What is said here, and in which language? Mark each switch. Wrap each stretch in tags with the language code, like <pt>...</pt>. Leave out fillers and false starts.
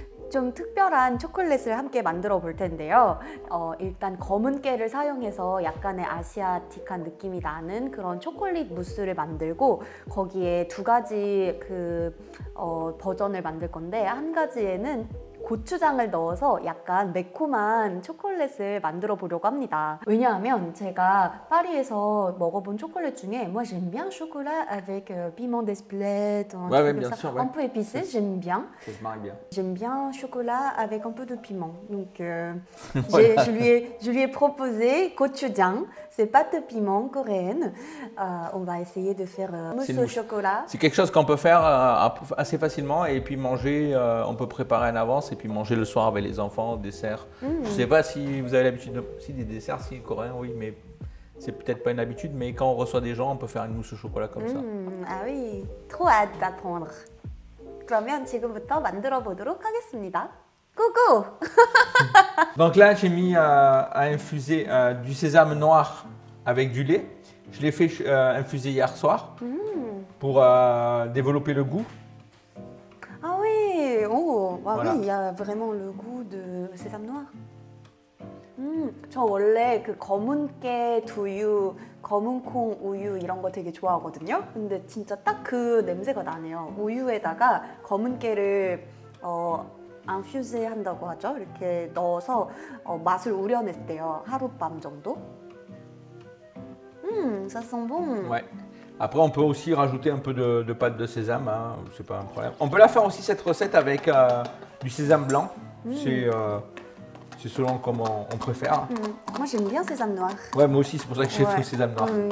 <ko>좀 특별한 초콜릿을 함께 만들어 볼 텐데요. 일단 검은 깨를 사용해서 약간의 아시아틱한 느낌이 나는 그런 초콜릿 무스를 만들고 거기에 두 가지 버전을 만들 건데 한 가지에는 고추장을 넣어서 약간 매콤한 초콜릿을 만들어 보려고 합니다. 왜냐하면 제가 파리에서 먹어본 초콜릿 중에</ko> <fr>moi j'aime bien chocolat avec piment d'Espelette ouais, ouais, bien sûr, ouais. un peu épicé, j'aime bien. Ça se marie bien. J'aime bien chocolat avec un peu de piment. Donc voilà. je lui ai proposé gochujang, c'est pâte de piment coréenne. On va essayer de faire mousse au chocolat. C'est quelque chose qu'on peut faire assez facilement et puis manger, on peut préparer en avance. Et puis manger le soir avec les enfants, dessert. Je sais pas si vous avez l'habitude aussi des desserts, si coréen, oui, mais c'est peut-être pas une habitude. Mais quand on reçoit des gens, on peut faire une mousse au chocolat comme ça. Ah oui, trop hâte d'apprendre.</fr> <ko>그러면 지금부터 만들어 보도록 하겠습니다.</ko> <fr>Coucou. Donc là, j'ai mis à infuser du sésame noir avec du lait. Je l'ai fait infuser hier soir pour développer le goût. Ah oui. Oui, il y a vraiment le goût de sésame noir.</fr> <ko>저 원래 그 검은 깨 두유, 검은 콩 우유 이런 거 되게 좋아하거든요. 근데 진짜 딱 그 냄새가 나네요. 우유에다가 검은 깨를 infuse한다고 하죠. 이렇게 넣어서 맛을 우려냈대요. 하룻밤 정도.</ko> <fr>Ça sent bon. Ouais. Après, on peut aussi rajouter un peu de pâte de sésame, hein. C'est pas un problème. On peut la faire aussi cette recette avec du sésame blanc. C'est selon comment on préfère. Moi, j'aime bien sésame noir. Ouais, moi aussi, c'est pour ça que j'ai fait le sésame noir.</fr>